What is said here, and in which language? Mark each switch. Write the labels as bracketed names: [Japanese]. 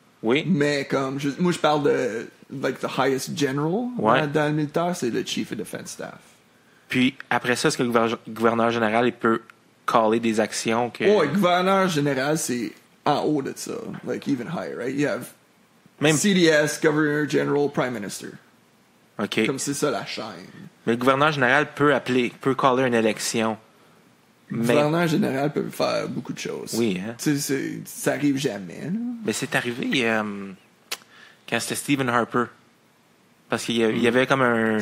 [French] Oui? Mais comme, moi, je parle de, [English] like, the highest general [French] ouais. dans le militaire, c'est le Chief of Defense Staff. Puis, après ça, est-ce que le gouverneur général, il peut caller des actions que... Oui, gouverneur général, c'est en haut de ça. [English] Like, even higher, right? You have [French] même... [English] CDS, Governor General, Prime Minister. [French] Okay. Comme c'est ça la chaîne. Mais le gouverneur général peut appeler, peut caller une élection. Mais... Le gouverneur général peut faire beaucoup de choses. Oui, hein? Ça arrive jamais. Là. Mais c'est arrivé quand c'était Stephen Harper. Parce qu'il y, a, y avait comme un.